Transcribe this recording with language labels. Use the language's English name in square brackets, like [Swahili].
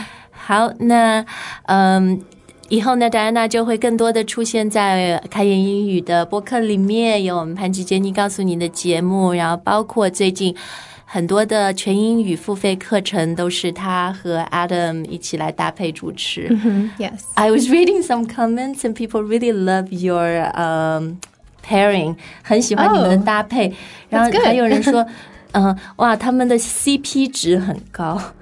[Chinese] 好，那以后呢戴安娜就会更多的出现在开言英语的播客里面，有我们潘吉杰尼告诉你的节目，然后包括最近很多的全英语付费课程都是他和 Adam 一起来搭配主持。 [English] Yes. I was reading some comments and people really love your pairing. [Chinese] 很喜欢你们的搭配。然后还有人说哇他们的 CP 值很高。